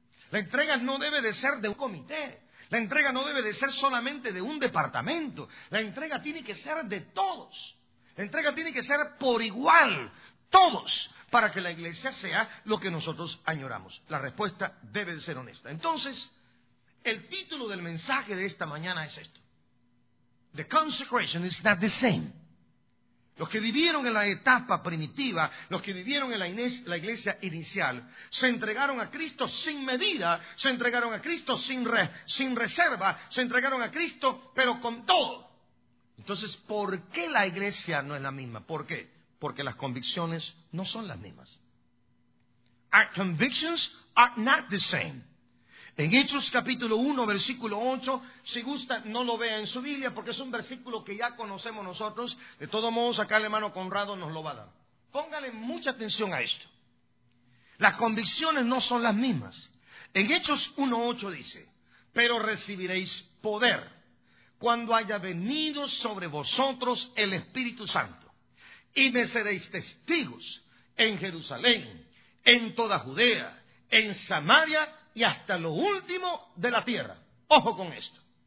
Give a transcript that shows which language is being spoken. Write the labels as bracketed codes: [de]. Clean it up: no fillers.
[es] La entrega no debe de ser de un comité. La entrega no debe de ser solamente de un departamento. La entrega tiene que ser de todos. La entrega tiene que ser por igual, todos, para que la iglesia sea lo que nosotros añoramos. La respuesta debe de ser honesta. Entonces, el título del mensaje de esta mañana es esto. [en] The consecration is not the same. [es] Los que vivieron en la etapa primitiva, los que vivieron en la iglesia inicial, se entregaron a Cristo sin medida, se entregaron a Cristo sin reserva, se entregaron a Cristo, pero con todo. Entonces, ¿por qué la iglesia no es la misma? ¿Por qué? Porque las convicciones no son las mismas. [en] Our convictions are not the same. [es] En Hechos capítulo 1, versículo 8, si gusta, no lo vea en su Biblia, porque es un versículo que ya conocemos nosotros. De todos modos, acá el hermano Conrado nos lo va a dar. Póngale mucha atención a esto. Las convicciones no son las mismas. En Hechos 1, 8 dice, pero recibiréis poder cuando haya venido sobre vosotros el Espíritu Santo, y me seréis testigos en Jerusalén, en toda Judea, en Samaria, y hasta lo último de la tierra. Ojo con esto.